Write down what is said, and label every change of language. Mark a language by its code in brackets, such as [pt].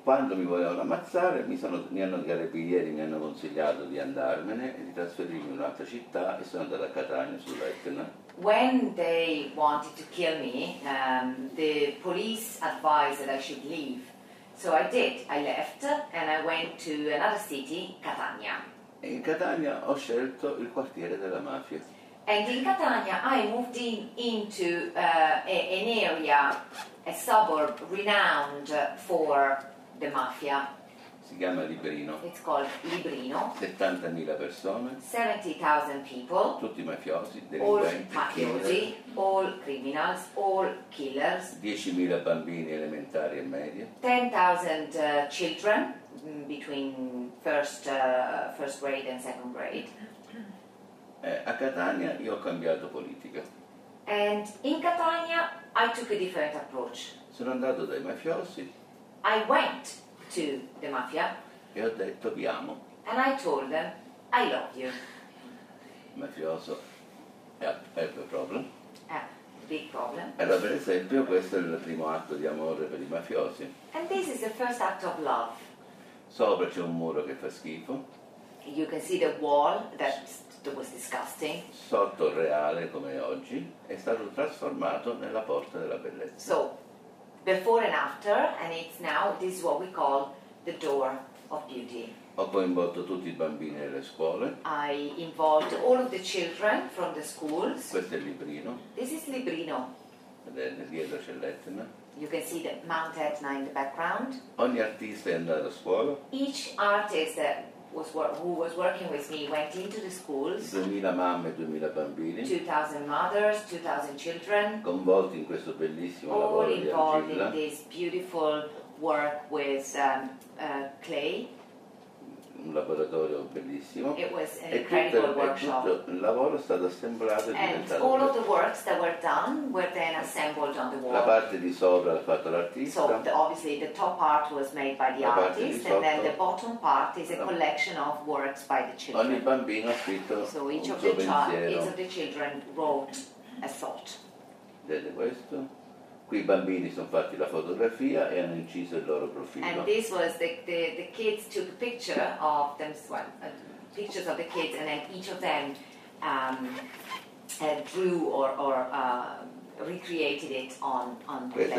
[it] Quando mi volevano ammazzare, mi hanno carabinieri mi hanno consigliato di andarmene e di trasferirmi in un'altra città e sono andata a Catania sull'Etna. [en] When they wanted to kill me, the police advised that I should leave. So I did. I left and I went to another city, Catania. [it] E in Catania ho scelto il quartiere della mafia. [en] And in Catania I moved into an area, a suburb renowned for the mafia. [it] Si chiama Librino. [en] It's called Librino. [it] 70.000 persone. [en] 70.000 people. [it] Tutti mafiosi, [en] delinquenti, all criminals, all killers. [it] 10.000 bambini elementari e medie. [en] 10.000 children between first grade and second grade. [it] A Catania io ho cambiato politica. [en] And in Catania I took a different approach. [it] Sono andato dai mafiosi. [en] I went to the mafia. [it] E ho detto vi amo. [en] And I told them I love you. Mafioso. Yeah, have a problem. Big problem. [it] Allora, per esempio, questo è il primo atto di amore per i mafiosi. [en] And this is the first act of love. [it] Sopra c'è un muro che fa schifo. [en] You can see the wall that was disgusting. [it] Sotto il reale come oggi è stato trasformato nella porta della bellezza. [en] So, before and after, and it's now, this is what we call the door of beauty. [it] Ho coinvolto tutti i bambini nelle scuole. [en] I involved all of the children from the schools. [it] Questo è Librino. [en] This is Librino. [it] Dietro c'è l'Etna. [en] You can see the Mount Etna in the background. [it] Ogni artista è andato a scuola. [en] Each artist that who was working with me went into the schools. [it] 2000 mamme, 2000 bambini. [en] 2000 mothers, 2000 children. [it] Coinvolti in questo bellissimo [en] all [it] lavoro di argilla. [en] All involved in this beautiful work with clay. [it] Un laboratorio bellissimo. [en] It was an incredible workshop. [it] Il lavoro è stato assemblato e diventato. [en] All of the works that were done were then assembled on the wall. [it] La parte di sopra l'ha fatto l'artista. [en] So obviously the top part was made by the artist, and then the bottom part is a collection of works by the children. [it] Ogni bambino ha scritto un suo pensiero. [en] So each of the children wrote a thought. [it] Vedete questo? Qui i bambini sono fatti la fotografia e hanno inciso il loro profilo. [en] And this was the kids took a picture of them, pictures of the kids, and then each of them drew or recreated it on the.